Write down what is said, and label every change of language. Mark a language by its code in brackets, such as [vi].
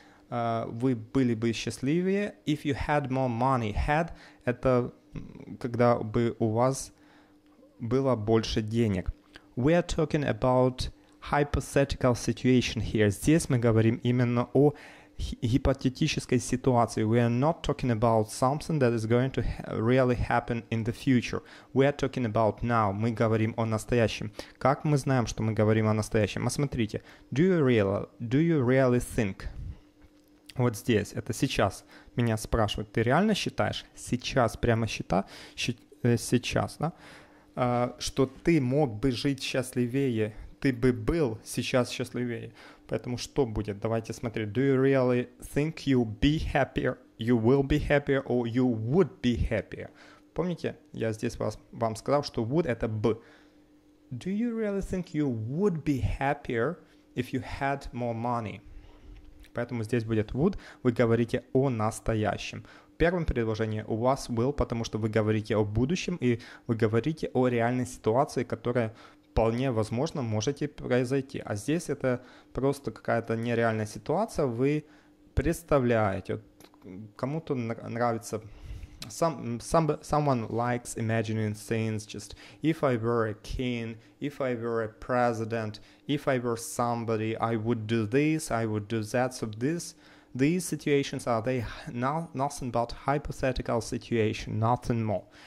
[ru] Вы были бы счастливее [en] if you had more money. [ru] Had — это когда бы у вас было больше денег. [en] We are talking about hypothetical situation here. [ru] Здесь мы говорим именно о гипотетической ситуации. [en] We are not talking about something that is going to really happen in the future. We are talking about now. [ru] Мы говорим о настоящем. Как мы знаем, что мы говорим о настоящем? А смотрите. [en] Do you really think? [ru] Вот здесь. Это сейчас. Меня спрашивают. Ты реально считаешь? Сейчас. Прямо сейчас, да? Что ты мог бы жить счастливее, ты бы был сейчас счастливее. Поэтому что будет? Давайте смотреть. [en] Do you really think you be happier, you will be happier, or you would be happier? [ru] Помните, я здесь вам сказал, что would — это бы. [en] Do you really think you would be happier if you had more money? [ru] Поэтому здесь будет would, вы говорите о настоящем. В первом предложении у вас will, потому что вы говорите о будущем и вы говорите о реальной ситуации, которая вполне возможно может произойти. А здесь это просто какая-то нереальная ситуация, вы представляете. Вот кому-то нравится... [en] Someone likes imagining scenes, just if I were a king, if I were a president, if I were somebody, I would do this, I would do that. So these situations are they nothing but hypothetical situation, nothing more.